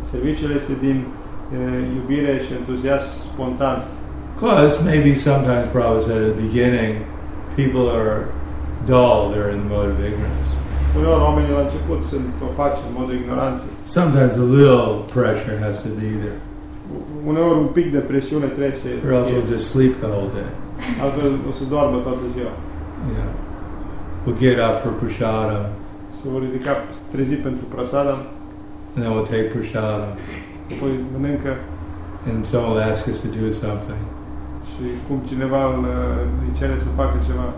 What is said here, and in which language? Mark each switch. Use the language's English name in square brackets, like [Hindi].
[Romanian] Serviciile este din iubire și entuziasm spontan. [English] Because maybe sometimes, Prabhupada said at the beginning, people are dull, they're in the mode of ignorance. [Romanian] Uneori oamenii la început sunt opaci în modul ignoranței. [English] Sometimes a little pressure has to be there. [Romanian] Uneori un pic de presiune trebuie să fie. [English] Or else we'll just sleep the whole day. [Romanian] Altfel o să doarmă toată ziua. [English] Yeah. We'll get up for prasadam. [Romanian] Să vă ridica trezit pentru prasadam. [English] And then we'll take prasadam. [Romanian] Apoi mănâncă. [English] And someone will ask us to do something. [Romanian] Și cum cineva îi cere să facă ceva.